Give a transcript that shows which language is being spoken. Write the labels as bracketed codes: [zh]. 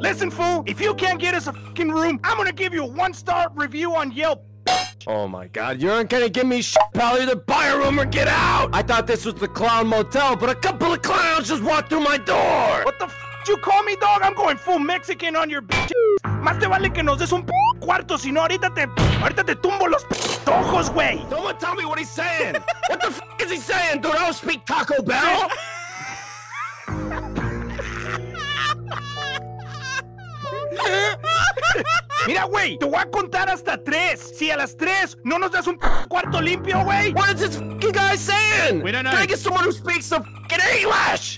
[en] Listen, fool, if you can't get us a fucking room, I'm gonna give you a one-star review on Yelp. Oh my god, you aren't gonna give me shit, pal. Either buy a room or get out! I thought this was the Clown Motel, but a couple of clowns just walked through my door! What the f did you call me, dog? I'm going full Mexican on your bitch. [es] Más te vale que nos des un cuarto, si no, ahorita te tumbo los ojos, güey! [en] Someone tell me what he's saying! What the f is he saying, dude? I don't speak Taco Bell! [es] Mira, güey, te voy a contar hasta tres. Si a las tres no nos das un cuarto limpio, güey. [en] What is this fucking guy saying? We don't know. Can I get someone who speaks some fucking English?